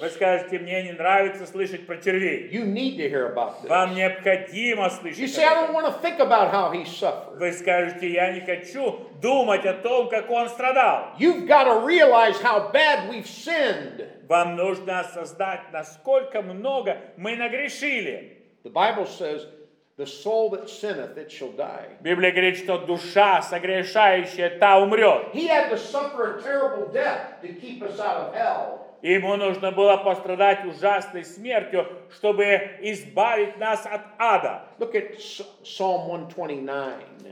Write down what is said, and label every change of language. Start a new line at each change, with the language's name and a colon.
Russian: Вы скажете, мне не нравится слышать про червей.
English: You need to hear about this.
Russian: Вам необходимо слышать.
English: You say, I don't want to think about how he suffered.
Russian: Вы скажете, я не хочу думать о том, как он страдал.
English: You've got to realize how bad we've sinned.
Russian: Вам нужно осознать, насколько много мы нагрешили.
English: The Bible says, the soul that sinneth, it shall die.
Russian: Библия говорит, что душа согрешающая, та умрет.
English: He had to suffer a terrible death to keep us out of hell.
Russian: Ему нужно было пострадать ужасной смертью, чтобы избавить нас от ада.
English: Look at Psalm 129.